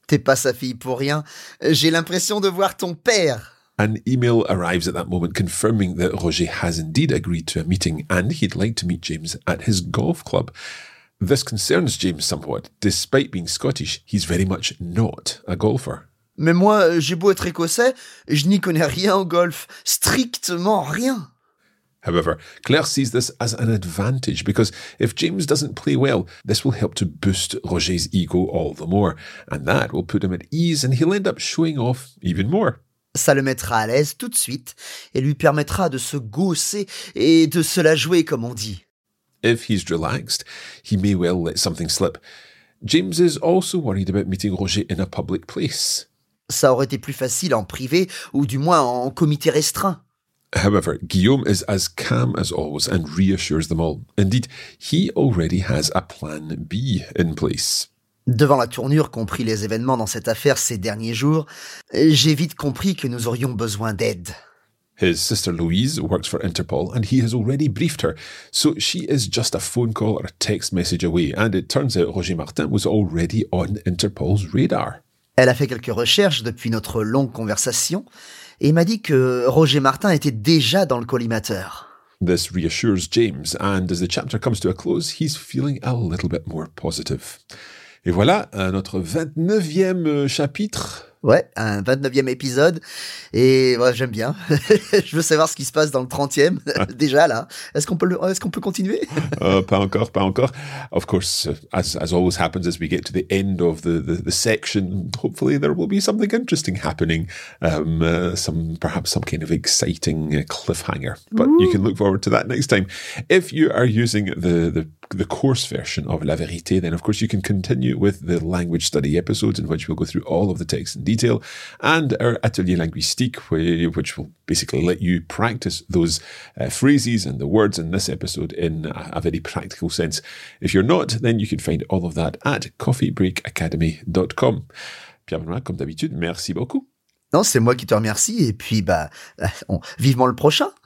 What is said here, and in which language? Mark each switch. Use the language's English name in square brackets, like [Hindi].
[French] "T'es pas sa fille pour rien. J'ai l'impression de voir ton père." [English] An email arrives at that moment confirming that Roger has indeed agreed to a meeting and he'd like to meet James at his golf club. This concerns James somewhat. Despite being Scottish, he's very much not a golfer. [French] Mais moi, j'ai beau être écossais, je n'y connais rien au golf. Strictement rien. [English] However, Claire sees this as an advantage because if James doesn't play well, this will help to boost Roger's ego all the more. And that will put him at ease and he'll end up showing off even more. [French] Ça le mettra à l'aise tout de suite et lui permettra de se gausser et de se la jouer, comme on dit. [English] If he's relaxed, he may well let something slip. James is also worried about meeting Roger in a public place. [French] Ça aurait été plus facile en privé ou du moins en comité restreint. [English] However, Guillaume is as calm as always and reassures them all. Indeed, he already has a plan B in place. [French] Devant la tournure qu'ont pris les événements dans cette affaire ces derniers jours, j'ai vite compris que nous aurions besoin d'aide. [English] His sister Louise works for Interpol and he has already briefed her, so she is just a phone call or a text message away, and it turns out Roger Martin was already on Interpol's radar. [French] Elle a fait quelques recherches depuis notre longue conversation et m'a dit que Roger Martin était déjà dans le collimateur. [English] This reassures James, and as the chapter comes to a close, he's feeling a little bit more positive. [French] Et voilà, notre 29e chapitre. Ouais, un 29e épisode. Et ouais, j'aime bien. Je veux savoir ce qui se passe dans le 30e. Déjà là, est-ce qu'on peut continuer? pas encore. [English] Of course, as always happens, as we get to the end of the section, hopefully there will be something interesting happening. Some kind of exciting cliffhanger. But Ooh. You can look forward to that next time. If you are using the course version of La Vérité, then of course you can continue with the language study episodes in which we'll go through all of the text in detail and our Atelier Linguistique, which will basically let you practice those phrases and the words in this episode in a very practical sense. If you're not, then you can find all of that at coffeebreakacademy.com. [French] Pierre-Benoît, comme d'habitude, merci beaucoup. Non, c'est moi qui te remercie et puis vivement le prochain.